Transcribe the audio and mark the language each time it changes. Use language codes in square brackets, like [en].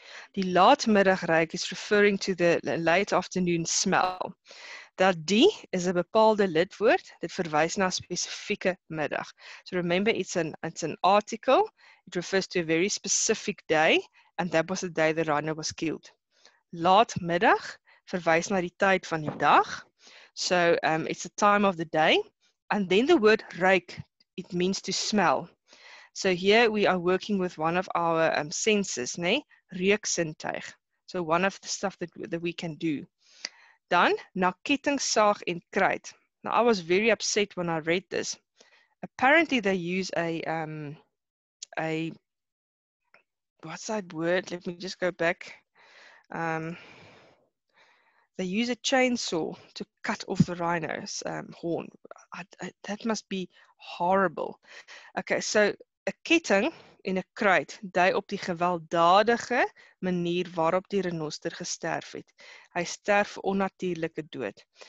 [af] Die laatmiddag ruik [en] is referring to the late afternoon smell. [af] That die is a bepaalde lidwoord that verwijs na specifieke middag. [en] So remember, it's an article. It refers to a very specific day, and that was the day the rhino was killed. [af] Laatmiddag verwijs na die tyd van die dag. [en] So it's the time of the day. And then the word ruik, it means to smell. So here we are working with one of our senses, nee? Reuksintuig. So one of the stuff that we can do. [af] Dan, na kettingsaag en kruid. [en] Now, I was very upset when I read this. Apparently, they use a what's that word? Let me just go back. They use a chainsaw to cut off the rhino's horn. That must be horrible. [af] Okay, so a ketting en 'n kruid dui op die gewelddadige manier waarop die renoster gesterf het. Hy sterf onnatuurlike dood.